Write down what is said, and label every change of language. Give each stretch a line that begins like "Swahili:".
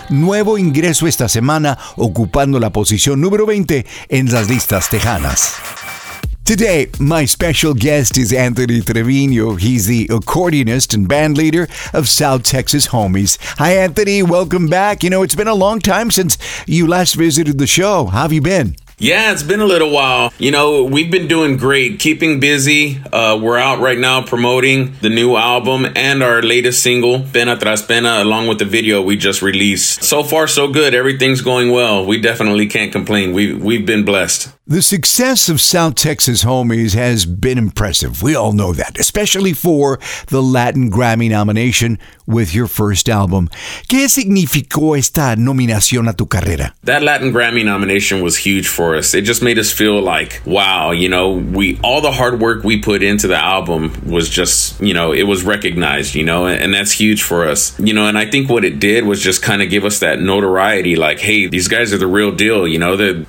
Spanish: Nuevo ingreso esta semana, ocupando la posición número 20 en las listas tejanas.
English: Today, my special guest is Anthony Trevino. He's the accordionist and band leader of South Texas Homies. Hi, Anthony. Welcome back. You know, it's been a long time since you last visited the show. How have you been? Yeah, it's been a little while. You know, we've been doing great, keeping busy. We're out right now promoting the new album and our latest single, Pena Tras Pena, along with the video we just released. So far, so good. Everything's going well. We definitely can't complain. We've been blessed. The success of South Texas Homies has been impressive. We all know that, especially for the Latin Grammy nomination with your first album.
Spanish: ¿Qué significó esta nominación a tu carrera?
English: That Latin Grammy nomination was huge for us. It just made us feel like, wow, you know, all the hard work we put into the album was just, you know, it was recognized, you know, and that's huge for us. You know, and I think what it did was just kind of give us that notoriety, like, hey, these guys are the real deal, you know.